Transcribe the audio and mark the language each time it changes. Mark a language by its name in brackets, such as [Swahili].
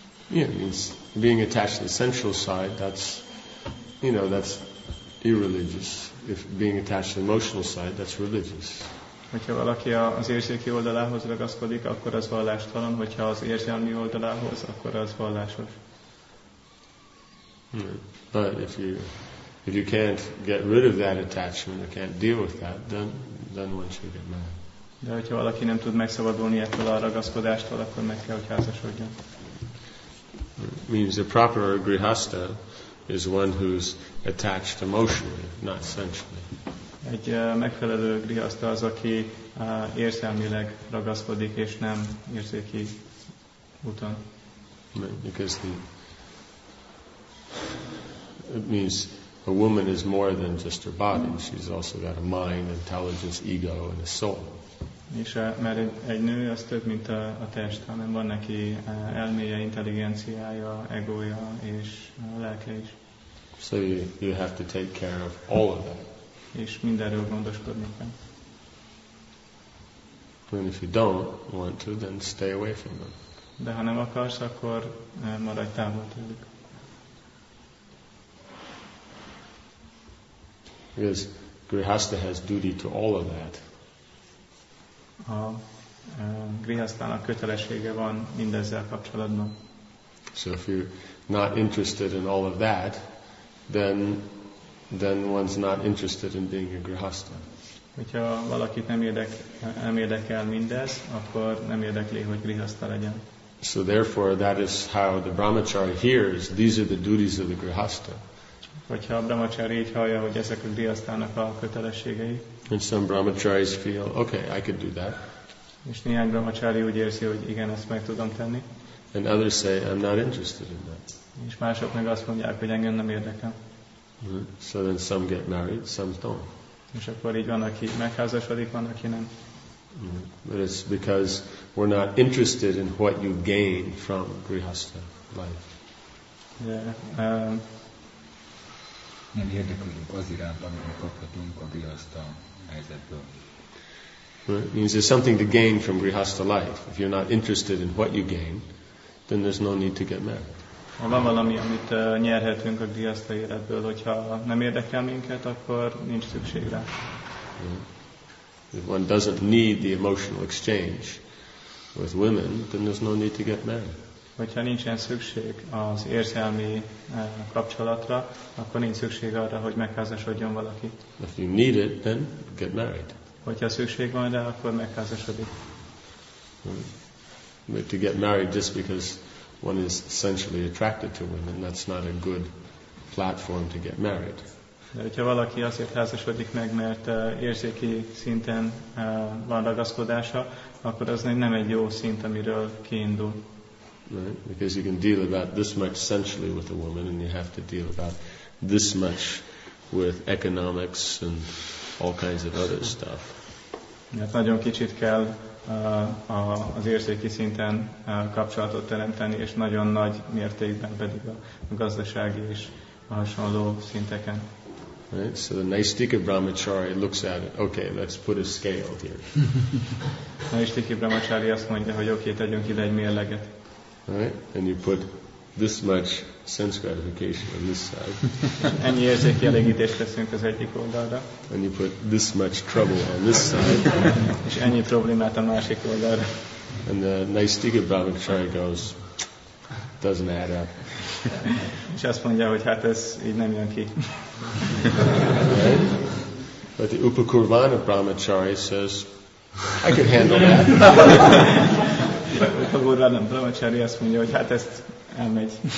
[English] Yeah, it means being attached to the sensual side, that's you know, that's irreligious. If being attached to the emotional side, that's religious. [Hungarian] Hogyha valaki az érzéki oldalához ragaszkodik, akkor az vallástalan, hogyha az érzelmi oldalához, akkor az vallásos. [English] But if you can't get rid of that attachment, you can't deal with that, then one should get married. [Hungarian] De hogyha valaki nem tud megszabadulni ettől a ragaszkodástól, akkor meg kell, hogy házasodjon. [English] Means a proper grihasta is one who's attached emotionally, not sensually. [Hungarian] Egy megfelelő grihasta az, aki érzelmileg ragaszkodik, és nem érzéki úton. [English] Because the, it means a woman is more than just her body. She's also got a mind, intelligence, ego, and a soul. [Hungarian] És mert egy nő az több, mint a test, hanem van neki elméje, intelligenciája, egója és lelke is. [English] So you have to take care of all of that. [Hungarian] És mindenről gondoskodni kell. [English] And if you don't want to, then stay away from them. [Hungarian] De ha nem akarsz, akkor maradj távol tőlük. [English] Because grihasta has duty to all of that. [Hungarian] A grihasztának kötelessége van mindezzel kapcsolatban. [English] So if you're not interested in all of that, then one's not interested in being a grihasta. [Hungarian] Hogyha valakit nem érdekel mindez, akkor nem érdekli, hogy grihasta legyen. [English] So therefore, that is how the brahmachari hears, these are the duties of the grihasta. [Hungarian] Hogyha a brahmachari így hallja, hogy ezek a grihasztának a kötelességei, [English] and some brahmacharis feel, okay, I could do that. [Hungarian] És néhány brahmachari úgy érzi, hogy igen, ezt meg tudom tenni. [English] And others say, I'm not interested in that. [Hungarian] És mások meg azt mondják, hogy engem nem érdekel. [English] So then some get married, some don't. [Hungarian] És akkor így van, aki megházasodik, van, aki nem. [English] But it's because we're not interested in what you gain from grihasta life. [Hungarian] Nem érdekelünk az irányban, amit kaphatunk a grihasta helyzetből. [English] Right? Means there's something to gain from grihasta life. If you're not interested in what you gain, then there's no need to get married. [Hungarian] Ha van valami, amit nyerhetünk a grihasta életből, hogyha nem érdekel minket, akkor nincs szükség rá. [English] Right? If one doesn't need the emotional exchange with women, then there's no need to get married. [Hungarian] Hogyha nincsen szükség az érzelmi kapcsolatra, akkor nincs szükség arra, hogy megházasodjon valaki. [English] If you need it, then get married. [Hungarian] Hogyha szükség van rá, akkor megházasodik. [English] But to get married just because one is essentially attracted to women, that's not a good platform to get married. [Hungarian] De hogyha valaki azért házasodik meg, mert érzéki szinten van ragaszkodása, akkor az nem egy jó szint, amiről kiindul. [English] Right? Because you can deal about this much sensually with a woman, and you have to deal about this much with economics and all kinds of other stuff. [Hungarian] Mert nagyon kicsit kell az érzéki szinten kapcsolatot teremteni, és nagyon nagy mértékben pedig a gazdasági és a hasonló szinteken. [English] Right? So the Naistika Brahmachari looks at it, okay, let's put a scale here. [Hungarian] Naistika Brahmachari azt mondja, hogy okay, tegyünk ide egy mérleget. [English] Right? And you put this much sense gratification on this side. [Hungarian] Ennyi érzéki elégítést teszünk az egyik oldalra. [English] And you put this much trouble on this side. [Hungarian] És ennyi problémát a másik oldalra. [English] And the Naistika Brahmachari goes, doesn't add up. [Hungarian] És azt mondja, hogy hát ez így nem jön ki. [English] Right? But the Upakurvana Brahmachari says, I can handle that. [Hungarian] A gurva nem brahmacari azt mondja, hogy hát ezt elmegy.